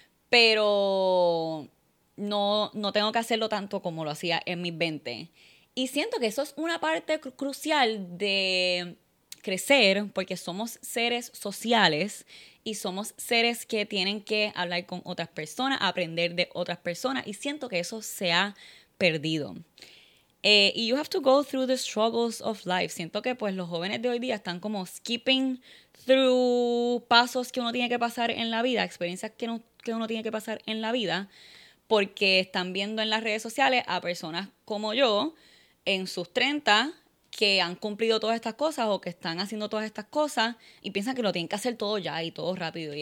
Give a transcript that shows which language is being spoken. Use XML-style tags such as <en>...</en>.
<es>Pero no tengo que hacerlo tanto como lo hacía en mis 20. Y siento que eso es una parte crucial de crecer, porque somos seres sociales y somos seres que tienen que hablar con otras personas, aprender de otras personas, y siento que eso se ha perdido.</es> <en>Y you have to go through the struggles of life.</en> <es>Siento que pues los jóvenes de hoy día están como skipping through pasos que uno tiene que pasar en la vida, experiencias que uno tiene que pasar en la vida, porque están viendo en las redes sociales a personas como yo, en sus 30, que han cumplido todas estas cosas o que están haciendo todas estas cosas y piensan que lo tienen que hacer todo ya y todo rápido.</es>